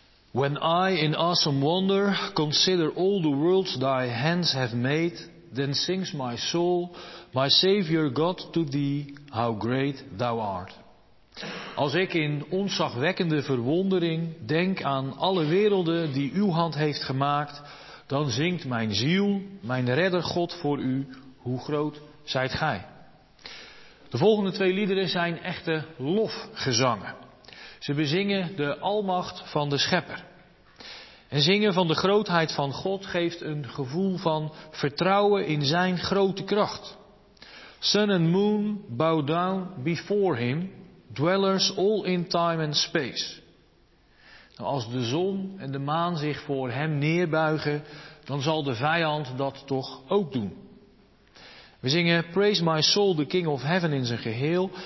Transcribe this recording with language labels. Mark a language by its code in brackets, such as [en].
[en] When I in awesome wonder consider all the worlds thy hands have made, then sings my soul, my Savior God, to thee, how great thou art. [nl] Als ik in onzagwekkende verwondering denk aan alle werelden die uw hand heeft gemaakt, dan zingt mijn ziel, mijn redder God, voor u, hoe groot zijt gij. De volgende twee liederen zijn echte lofgezangen. Ze bezingen de almacht van de Schepper. En zingen van de grootheid van God geeft een gevoel van vertrouwen in zijn grote kracht. [en] Sun and moon bow down before him, dwellers all in time and space. [nl] Nou, als de zon en de maan zich voor hem neerbuigen, dan zal de vijand dat toch ook doen. We zingen Praise My Soul, the King of Heaven in zijn geheel.